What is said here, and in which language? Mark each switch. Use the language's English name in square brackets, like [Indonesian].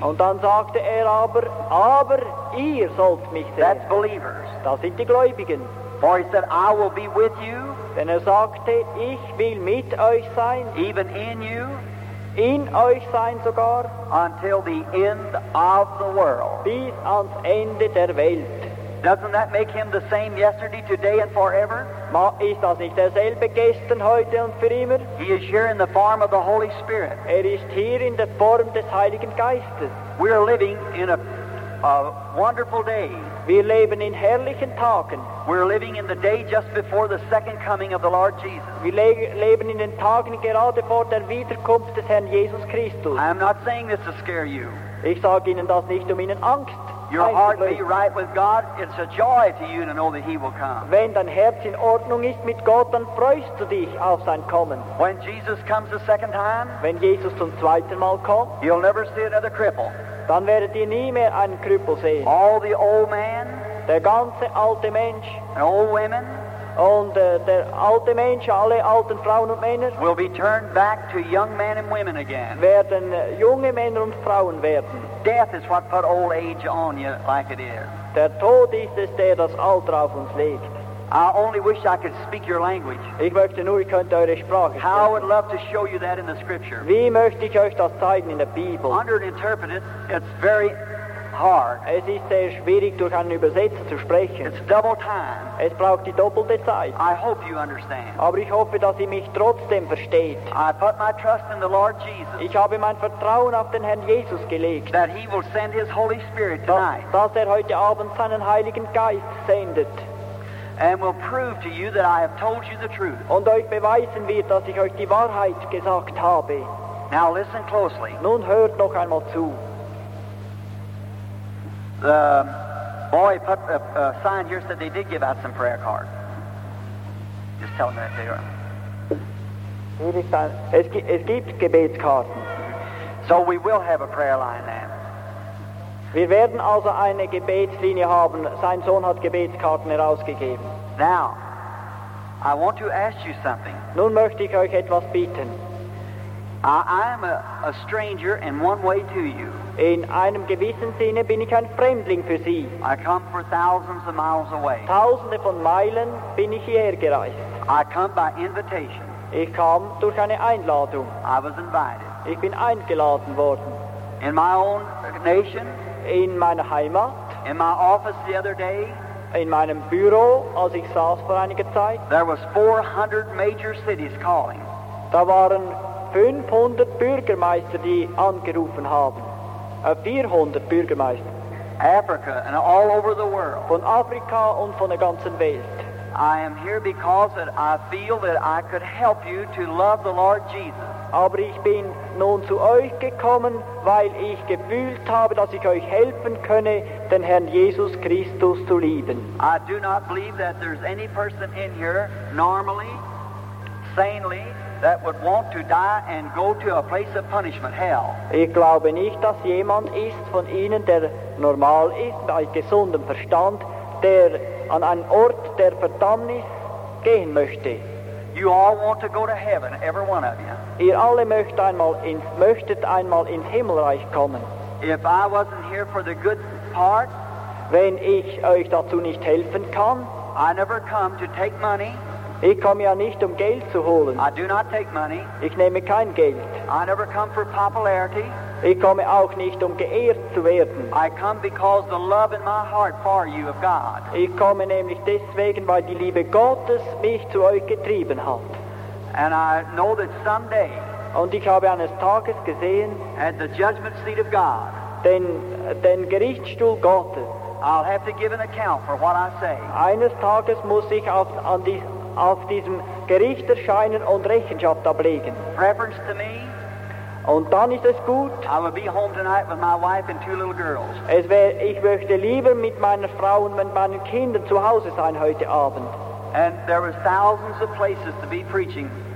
[German] Und dann sagte er aber ihr sollt mich sehen. [English] That's believers. [German] Das sind die Gläubigen. [English] For he said, I will be with you. [German] Denn er sagte, ich will mit euch sein. [English] Even in you. [German] In euch sein sogar. [English] Until the end of the world. [German] Bis ans Ende der Welt. [English] Doesn't that make him the same yesterday, today, and forever? [German] Ist das nicht derselbe gestern, heute und für immer? [English] He is here in the form of the Holy Spirit. [German] Er ist hier in der Form des Heiligen Geistes. [English] We are living in a wonderful day. [German] Wir leben in herrlichen Tagen. [English] We're living in the day just before the second coming of the Lord Jesus. [German] Wir leben in den Tagen gerade vor der Wiederkunft des Herrn Jesus Christus. [English] I'm not saying this to scare you. [German] Ich sage Ihnen das nicht, um Ihnen Angst. [English] Your heart be right with God. It's a joy to you to know that He will come. [German] Wenn dein Herz in Ordnung ist mit Gott, dann freust du dich auf sein Kommen. [English] When Jesus comes the second time, [German] wenn Jesus zum zweiten Mal kommt, [English] you'll never see another cripple. [German] Dann werdet ihr nie mehr einen Krüppel sehen. [English] All the old man, [German] der ganze alte Mensch, [English] and old women, [German] und der alte Mensch, alle alten Frauen und Männer, [English] will be turned back to young men and women again. [German] Werden junge Männer und Frauen werden. [English] Death is what put old age on you like it is. [German] Der Tod ist es, der das Alter auf uns legt. [English] I only wish I could speak your language. [German] Ich möchte nur, ich könnte eure Sprache. [English] How I would love to show you that in the scripture. [German] Wie möchte ich euch das zeigen in der Bibel? [English] Under an interpreter, it's very hard. [German] Es ist sehr schwierig, durch einen Übersetzer zu sprechen. [English] It's double time. [German] Es braucht die doppelte Zeit. [English] I hope you understand. [German] Aber ich hoffe, dass ihr mich trotzdem versteht. [English] I put my trust in the Lord Jesus. [German] Ich habe mein Vertrauen auf den Herrn Jesus gelegt. [English] That he will send his Holy Spirit tonight. [German] Dass er heute Abend seinen Heiligen Geist sendet. [English] And will prove to you that I have told you the truth. [German] Und euch beweisen wird, dass ich euch die Wahrheit gesagt habe. [English] Now listen closely. [German] Nun hört noch einmal zu. [English] The boy put a sign here said they did give out some prayer cards. Just tell them that they are. [German] Es gibt Gebetskarten. [English] So we will have a prayer line then. [German] Wir werden also eine Gebetslinie haben. Sein Sohn hat Gebetskarten herausgegeben. [English] Now, I want to ask you something. [German] Nun möchte ich euch etwas bitten. [English] I am a stranger in one way to you. [German] In einem gewissen Sinne bin ich ein Fremdling für Sie. [English] I come for thousands of miles away. [German] Tausende von Meilen bin ich hierher gereist. [English] I come by invitation. [German] Ich kam durch eine Einladung. [English] I was invited. [German] Ich bin eingeladen worden. [English] In my own nation. [German] In meiner Heimat. [English] In my office the other day. [German] In meinem Büro, als ich saß vor einiger Zeit. [English] There was 400 major cities calling. [German] Da waren 500 Bürgermeister, die angerufen haben. 400 Bürgermeister. [English] Africa and all over the world. [German] Von Afrika und von der ganzen Welt. [English] I am here because that I feel that I could help you to love the Lord Jesus. [German] Aber ich bin nun zu euch gekommen, weil ich gefühlt habe, dass ich euch helfen könne, den Herrn Jesus Christus zu lieben. [English] I do not believe that there's any person in here, normally, sanely, that would want to die and go to a place of punishment, hell. [German] Ich glaube nicht, dass jemand ist von Ihnen, der normal ist, bei gesundem Verstand, der an einen Ort der Verdammnis gehen möchte. [English] You all want to go to heaven, every one of you. [German] Ihr alle möchtet einmal ins Himmelreich kommen. [English] If I wasn't here for the good part, [German] wenn ich euch dazu nicht helfen kann, [English] I never come to take money. [German] Ich komme ja nicht, um Geld zu holen. [English] I do not take money. [German] Ich nehme kein Geld. [English] I never come for popularity. [German] Ich komme auch nicht, um geehrt zu werden. [English] I come because the love in my heart for you of God. [German] Ich komme nämlich deswegen, weil die Liebe Gottes mich zu euch getrieben hat. [English] And I know that someday, [German] und ich habe eines Tages gesehen, [English] at the judgment seat of God, [German] den Gerichtsstuhl Gottes, [English] I'll have to give an account for what I say. [German] Eines Tages muss ich auf diesem Gericht erscheinen und Rechenschaft ablegen. [English] Reference to me, [German] und dann ist es gut. [English] I will be home tonight with my wife and two little girls. [German] Ich möchte lieber mit meiner Frau und mit meinen Kindern zu Hause sein heute Abend. [English] And there are thousands of places to be preaching.